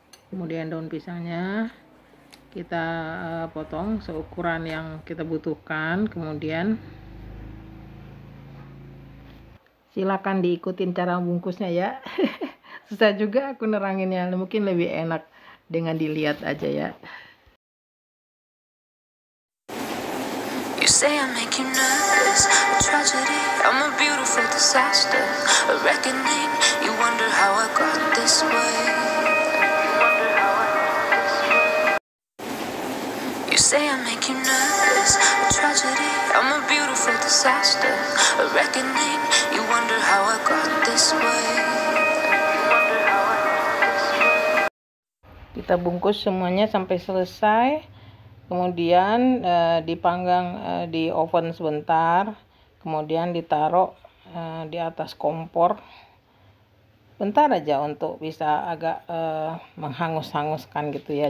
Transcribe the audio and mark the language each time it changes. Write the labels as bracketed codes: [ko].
[id] Kemudian daun pisangnya kita potong seukuran yang kita butuhkan. Kemudian silakan diikutin cara bungkusnya ya. Susah juga aku neranginnya, mungkin lebih enak dengan dilihat aja ya. [en] You say I make you nervous. A tragedy, I'm a beautiful disaster. A reckoning, you wonder how I got this way. You say I make you nervous. A tragedy, I'm a beautiful disaster. A reckoning, you wonder how I got this way. [id] Kita bungkus semuanya sampai selesai. Kemudian dipanggang di oven sebentar. Kemudian ditaruh di atas kompor. Bentar aja untuk bisa agak menghangus-hanguskan gitu ya.